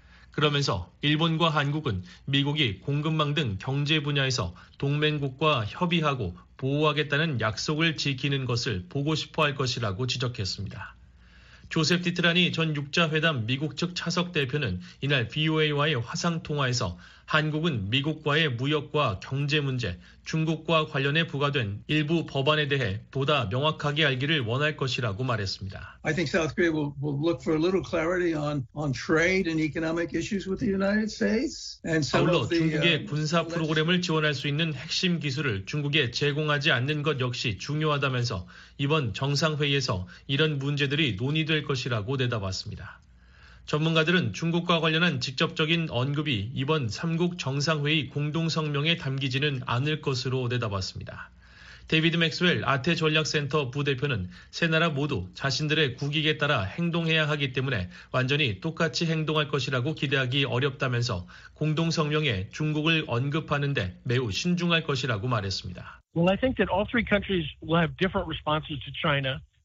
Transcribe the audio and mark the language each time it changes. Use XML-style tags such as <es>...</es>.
<ko>그러면서 일본과 한국은 미국이 공급망 등 경제 분야에서 동맹국과 협의하고 보호하겠다는 약속을 지키는 것을 보고 싶어 할 것이라고 지적했습니다. 조셉 디트라니 전 6자회담 미국 측 차석 대표는 이날 VOA와의 화상통화에서 한국은 미국과의 무역과 경제 문제, 중국과 관련해 부과된 일부 법안에 대해 보다 명확하게 알기를 원할 것이라고 말했습니다.</ko> <en>I think South Korea will look for a little clarity on trade and economic issues with the United States.</en> <ko>아울러 중국의 군사 프로그램을 지원할 수 있는 핵심 기술을 중국에 제공하지 않는 것 역시 중요하다면서 이번 정상회의에서 이런 문제들이 논의될 것이라고 내다봤습니다. 전문가들은 중국과 관련한 직접적인 언급이 이번 3국 정상회의 공동성명에 담기지는 않을 것으로 내다봤습니다. 데이비드 맥스웰 아태전략센터 부대표는 세 나라 모두 자신들의 국익에 따라 행동해야 하기 때문에 완전히 똑같이 행동할 것이라고 기대하기 어렵다면서 공동성명에 중국을 언급하는 데 매우 신중할 것이라고 말했습니다.</ko> <en>Well, I think that all three countries will have different responses to China.</en>